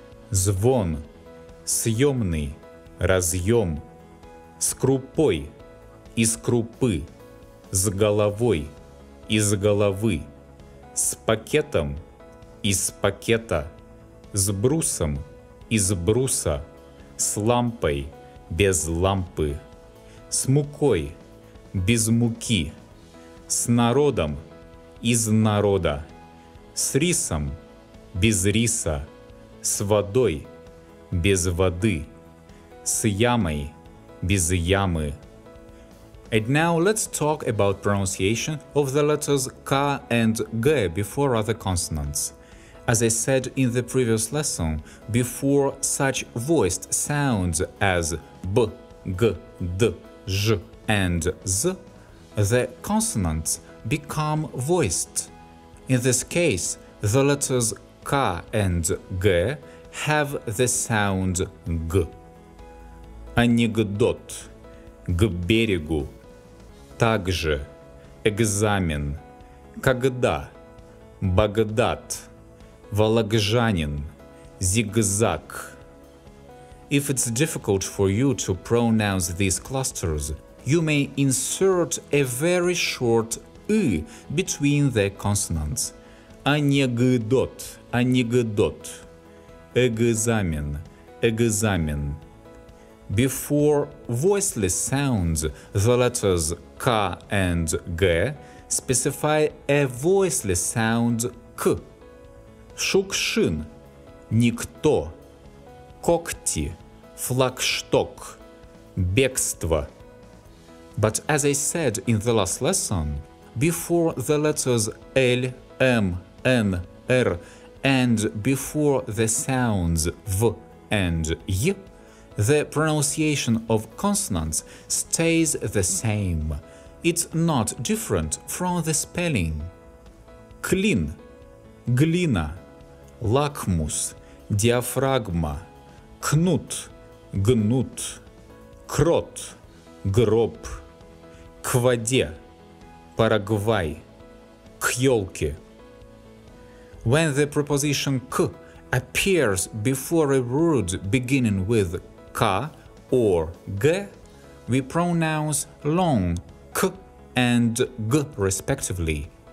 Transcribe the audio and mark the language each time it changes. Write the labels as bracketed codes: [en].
[ru] звон, съемный, разъем, с крупой, из крупы, с головой, из головы, с пакетом, из пакета, с брусом, из бруса, с лампой, без лампы, с мукой, без муки, с народом, из народа, с рисом, без риса, с водой, без воды, с ямой, без ямы. [en] And now let's talk about pronunciation of the letters K and G before other consonants. As I said in the previous lesson, before such voiced sounds as B, G, D, Z, and Z, the consonants become voiced. In this case, the letters K and G have the sound G. [ru] Анекдот, к берегу. Также, экзамен, когда, Багдад, Вологжанин, зигзаг. [en] If it's difficult for you to pronounce these clusters, you may insert a very short «ы» between the consonants. [ru] Анекдот, анекдот, экзамен, экзамен. [en] Before voiceless sounds, the letters K and G specify a voiceless sound K. [ru] Шукшин – никто. Когти – флагшток. Бегство. [en] But as I said in the last lesson, before the letters L, M, N, R, and before the sounds V and Y, the pronunciation of consonants stays the same. It's not different from the spelling. [ru] Клин, глина, лакмус, диафрагма, кнут, гнут, крот, гроб, к воде, Парагвай, к ёлке. [en] When the preposition к appears before a word beginning with K or G, we pronounce long K and G respectively.